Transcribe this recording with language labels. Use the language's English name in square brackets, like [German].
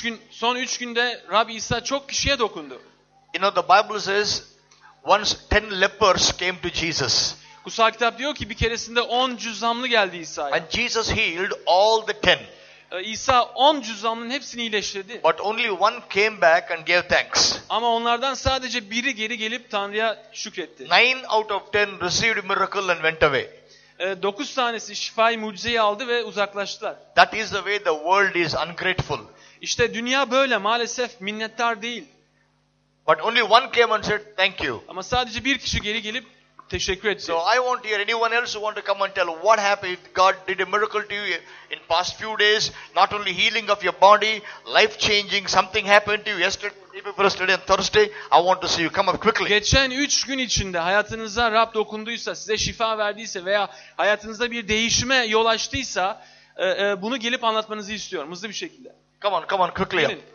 [Turkish] Son 3 günde Rab İsa çok kişiye dokundu. [English] You know the Bible says once 10 lepers came to Jesus. [Turkish] Kutsal kitap diyor ki bir keresinde 10 cüzzamlı geldi İsa'ya. [English] And Jesus healed all the 10. [Turkish] İsa 10 cüzzamlının hepsini iyileştirdi. [English] But only one came back and gave thanks. [Turkish] Ama onlardan sadece biri geri gelip Tanrı'ya şükretti. [English] 9 out of 10 received a miracle and went away. [Turkish] 9 tanesi şifayı, mucizeyi aldı ve uzaklaştılar. [English] That is the way the world is ungrateful. [Turkish] İşte dünya böyle, maalesef minnettar değil. [English] But only one came and said thank you. [Turkish] Ama sadece bir kişi geri gelip teşekkür etti. [English] So I want to hear anyone else who want to come and tell what happened. God did a miracle to you in past few days. Not only healing of your body, life changing. Something happened to you yesterday and Thursday. I want to see you. Come up quickly. [Turkish] Geçen 3 gün içinde hayatınıza Rab dokunduysa, size şifa verdiyse veya hayatınızda bir değişime yol açtıysa, bunu gelip anlatmanızı istiyorum hızlı bir şekilde. [English] Come on quickly. Yes,